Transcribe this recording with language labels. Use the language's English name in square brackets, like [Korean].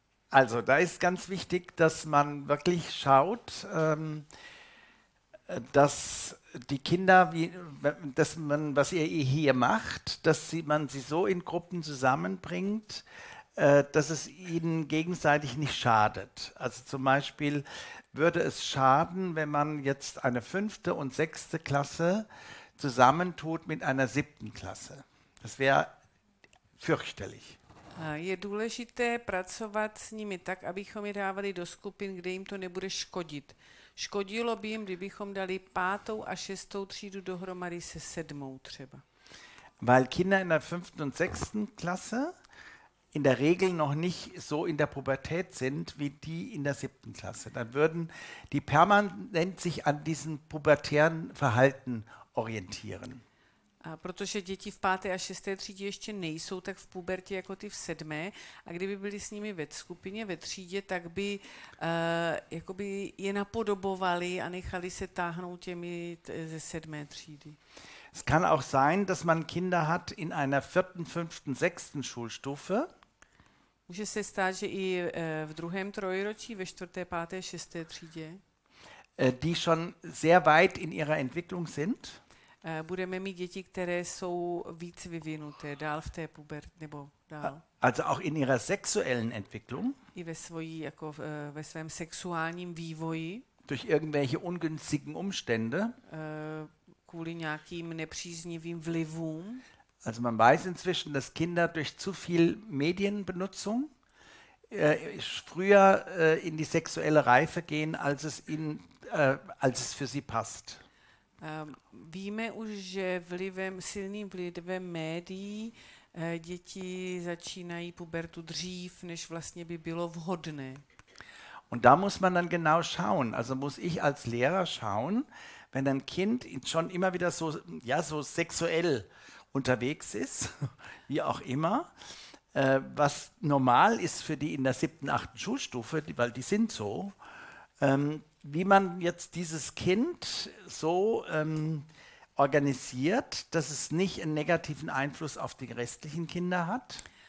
[German] Also, da ist ganz wichtig, dass man wirklich schaut, dass die Kinder, dass man, was ihr hier macht, dass sie, man sie so in Gruppen zusammenbringt, dass es ihnen gegenseitig nicht schadet. Also zum Beispiel würde es schaden, wenn man jetzt eine fünfte und sechste Klasse zusammentut mit einer siebten Klasse. Das wäre fürchterlich. [Czech] Je důležité pracovat s nimi tak, abychom je dávali do skupin, kde jim to nebude škodit. Škodilo by jim, kdybychom dali pátou a šestou třídu dohromady se sedmou třeba. [German] Weil Kinder in der fünften und sechsten Klasse in der Regel noch nicht so in der Pubertät sind wie die in der siebten Klasse. Dann würden die permanent sich an diesen pubertären Verhalten orientieren. [Czech] A protože děti v páté a šesté třídě ještě nejsou tak v pubertě jako ty v sedmé, a kdyby byli s nimi ve skupině, ve třídě, tak by jakoby je napodobovali a nechali se táhnout těmi ze sedmé třídy. [German] Es kann auch sein, dass man Kinder hat in einer vierten, fünften, sechsten Schulstufe. [Czech] Může se stát, že i v druhém trojročí, ve čtvrté, páté, šesté třídě. [German] Die schon sehr weit in ihrer Entwicklung sind. [Czech] Budeme mít děti, které jsou víc vyvinuté, dál v té pubertě nebo dál. [German] Also auch in ihrer sexuellen Entwicklung. [Czech] I ve svojí, jako ve svém sexuálním vývoji. [German] Durch irgendwelche ungünstigen Umstände. [Czech] Kvůli nějakým nepříznivým vlivům. [German] Also man weiß inzwischen, dass Kinder durch zu viel Medienbenutzung früher in die sexuelle Reife gehen, als es ihnen, als es für sie passt. [Czech] Víme už, že vlivem, silným vlivem médií děti začínají pubertu dřív, než vlastně by bylo vhodné. [German] Und da muss man dann genau schauen, also muss ich als Lehrer schauen, wenn ein Kind schon immer wieder so, ja, so sexuell unterwegs ist, wie auch immer, was normal ist für die in der siebten, achten Schulstufe, weil die sind so, wie man jetzt dieses Kind so organisiert, dass es nicht einen negativen Einfluss auf die restlichen Kinder hat.